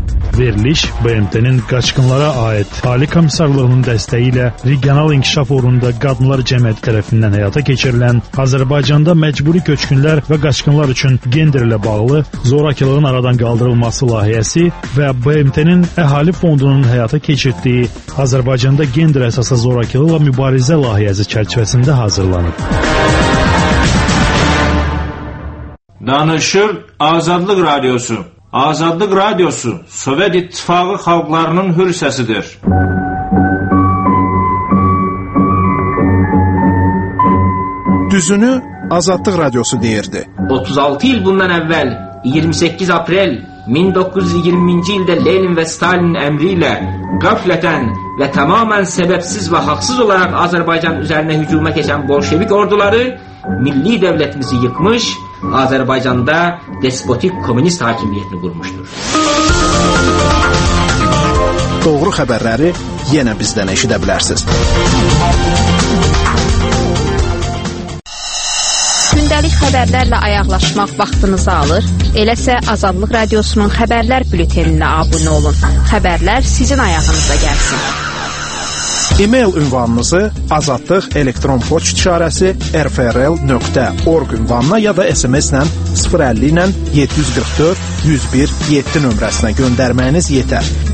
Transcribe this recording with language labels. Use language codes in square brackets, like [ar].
[az] Veriliş BMT-nin qaçqınlara aid Ali Komissarlığının dəstəyi ilə Regional İnkişaf Orunda Qadınlar Cəmiyyəti tərəfindən həyata keçirilən Azərbaycanda məcburi köçkünlər və qaçqınlar üçün genderlə bağlı zorakılığın aradan qaldırılması layihəsi və BMT-nin Əhali Fondunun həyata keçirdiyi Azərbaycanda gender əsaslı zorakılıqla mübarizə layihəsi çərçivəsində hazırlanıb. Danışır Azadlıq Radiosu. [tr] Azadlık Radyosu Sovet İttifakı Halklarının Hür Sesidir. [az] Düzünü Azadlık Radyosu deyirdi. [tr] 36 il bundan evvel 28 April 1920. ilde Lenin ve Stalin'in emriyle gafleten ve tamamen sebepsiz ve haksız olarak Azerbaycan üzerine hücuma geçen Bolşevik orduları milli devletimizi yıkmış, Azerbaycan'da despotik komünist hakimiyetini kurmuştur. Doğru haberleri yine bizden eşit edebilirsiniz. [az] Gündəlik xəbərlərlə ayaqlaşmaq vaxtınızı alır. Eləsə Azadlıq Radiosunun xəbərlər bülteninə abunə olun. Xəbərlər sizin ayağınıza gəlsin. E-mail ünvanınızı azadlıq elektron poçt işarəsi rfrl.org ünvanına ya da SMS-lə 050 ilə 744 101 7 nömrəsinə göndərməyiniz yetər.